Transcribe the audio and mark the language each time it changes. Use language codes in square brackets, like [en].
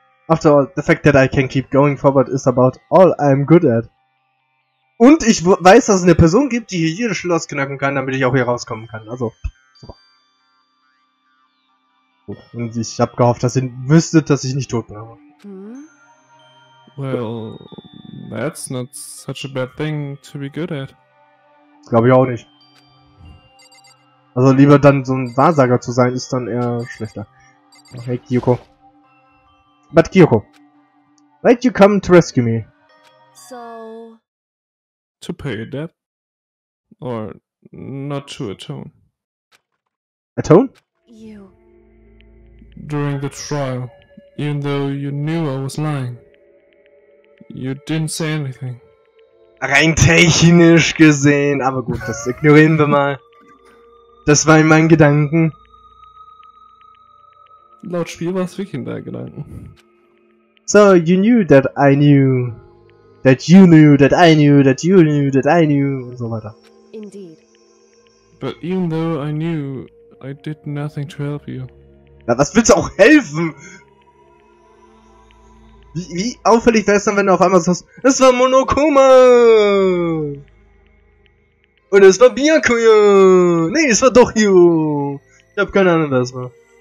[en] After all, the fact that I can keep going forward is about all I'm good at. [de] Und ich weiß, dass es eine Person gibt, die hier jedes Schloss knacken kann, damit ich auch hier rauskommen kann. Also, super. Gut. Und ich habe gehofft, dass ihr wüsstet, dass ich nicht tot bin. Aber. [en] Well, that's not such a bad thing to be good at. [de] Das glaube ich auch nicht. Also lieber dann so ein Wahrsager zu sein, ist dann eher schlechter. [en] Hey, Kyoko. But Kyoko, why'd you come to rescue me? So... To pay a debt? Or not to atone? Atone? You. During the trial, even though you knew I was lying, you didn't say anything. [de] Rein technisch gesehen, aber gut, das ignorieren wir mal. Das war in meinen Gedanken. Laut Spiel war es wirklich in deinen Gedanken. [en] So, you knew that I knew. That you knew that I knew that you knew that I knew. [de] Und so weiter. [en] Indeed. But even though I knew, I did nothing to help you. [de] Na, was willst du auch helfen? Wie auffällig wär's dann, wenn du auf einmal sagst, es war Monokuma! Und es war Byakuya! Nee, es war doch you! Ich hab keine Ahnung, wer es war.